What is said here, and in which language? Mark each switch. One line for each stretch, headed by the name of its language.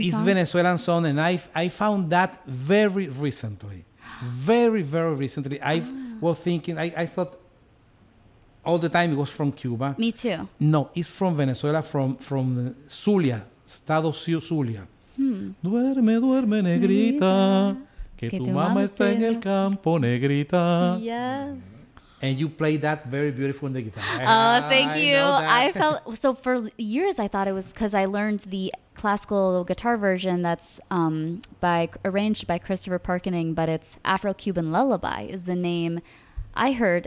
English: song? It's Venezuelan song, and I found that very recently. Very, very recently. I thought all the time it was from Cuba. Me too. No, it's from Venezuela, from Zulia, Estado Zulia.
Spanish: Duerme, duerme, negrita, que tu mama está en el campo, negrita.
English: Yes. And you play that very beautiful on the guitar. Oh, thank you. I felt so for years I thought it was because I learned the classical guitar version that's arranged by Christopher Parkening, but it's Afro-Cuban Lullaby is the name I heard.